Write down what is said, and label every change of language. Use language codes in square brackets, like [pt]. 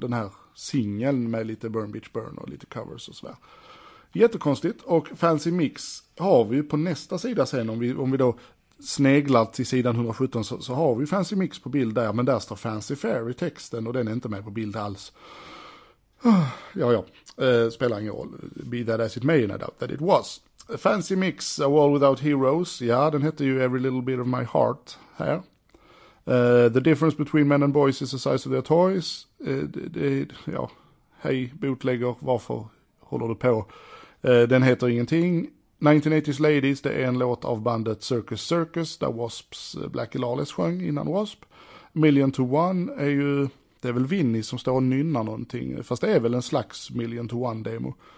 [sv] Den här singeln med lite Burn Bitch Burn och lite covers och sådär. Jättekonstigt, och Fancy Mix har vi ju på nästa sida sen. Om vi då sneglar till sidan 117 så har vi Fancy Mix på bild där, men där står Fancy Fair i texten och den är inte med på bild alls. Spelar ingen roll. [en] Be that as it may, no doubt that it was. Fancy Mix, A World Without Heroes. [sv] Ja, den heter ju Every Little Bit of My Heart här. The Difference Between Men and Boys is the Size of Their Toys. Ja, hej bootlegger, varför håller du på? Den heter ingenting. 1980s Ladies, det är en låt av bandet Circus Circus där Wasps Blackie Lawless sjöng innan Wasp. Million to One är ju, det är väl Vinnie som står och nynnar någonting, fast det är väl en slags Million to One-demo.